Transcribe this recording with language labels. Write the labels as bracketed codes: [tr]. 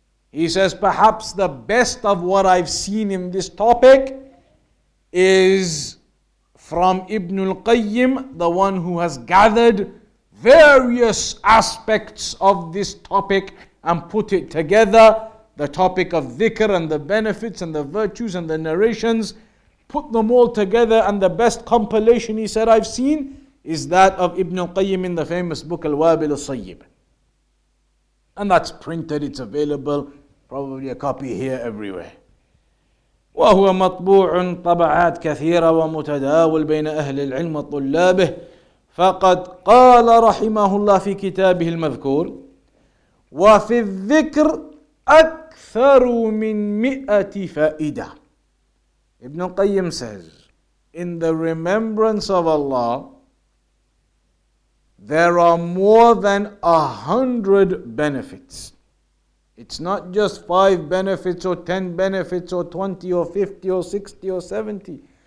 [en] He says, perhaps the best of what I've seen in this topic is from Ibn al-Qayyim, the one who has gathered various aspects of this topic and put it together, the topic of dhikr and the benefits and the virtues and the narrations, put them all together, and the best compilation, he said, I've seen, is that of Ibn al-Qayyim in the famous book Al-Wabil al-Sayyib. And that's printed, it's available, probably a copy here everywhere. [ar] وهو مطبوع طبعات كثيرة ومتداول بين أهل العلم وطلابه فقد قال رحمه الله في كتابه المذكور وفي الذكر أكثر من 100 فائدة. [en] ابن القيم says, in the remembrance of Allah there are more than 100 benefits. It's not just 5 benefits or 10 benefits or 20 or 50 or 60 or 70.